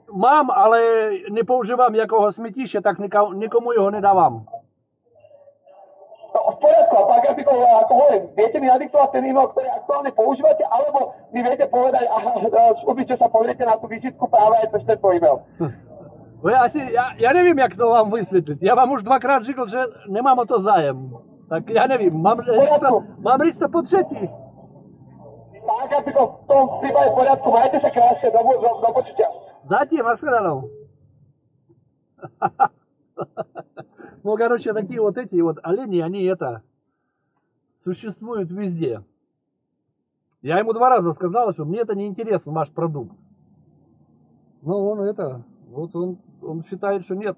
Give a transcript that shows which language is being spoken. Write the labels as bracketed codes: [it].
[sk] Mám, ale nepoužívam ako ho smetíšte, tak nikomu ho nedávam. No, v poriadku, a pán Karpikov, ako hovorím, viete mi nadiktovať ten e-mail, ktorý aktuálne používate, alebo mi viete povedať, slúbiť, čo sa povedete na tú vizitku práve aj cez tento e-mail? Ja neviem, jak to vám vysvetliť. [cs] Ja vám už dvakrát říkal, že nemám o to zájem. [sk] Tak ja neviem, mám rýsť to [cs] po třetí. [sk] Pán Karpikov, v tom prípade v poriadku, majte sa krásne, do počutia. [cs] Zatím, naschledanou. [ru] Ну, короче, такие вот эти вот олени, они это, существуют везде. Я ему два раза сказал, что мне это не интересно, ваш продукт. Но он это, вот он считает, что нет.